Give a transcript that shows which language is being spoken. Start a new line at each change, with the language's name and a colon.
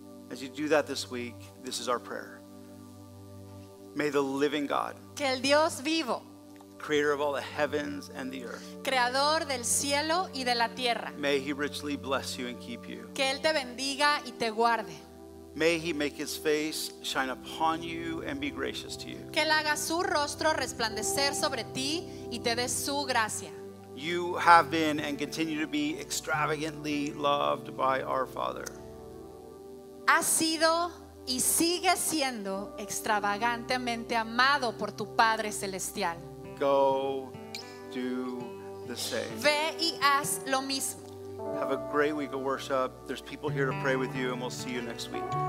English: As you do that this week, this is our prayer. May the living God,
Spanish: que el Dios vivo,
English: creator of all the heavens and the earth.
Spanish: Creador del cielo y de la tierra.
English: May he richly bless you and keep you.
Spanish: Que él te bendiga y te guarde.
English: May he make his face shine upon you and be gracious to you.
Spanish: Que él haga su rostro resplandecer sobre ti y te dé su gracia.
English: You have been and continue to be extravagantly loved by our Father.
Spanish: Ha sido y sigue siendo extravagantemente amado por tu Padre Celestial.
English: Go do the same.
Spanish: Ve y haz lo mismo.
English: Have a great week of worship. There's people here to pray with you, and we'll see you next week.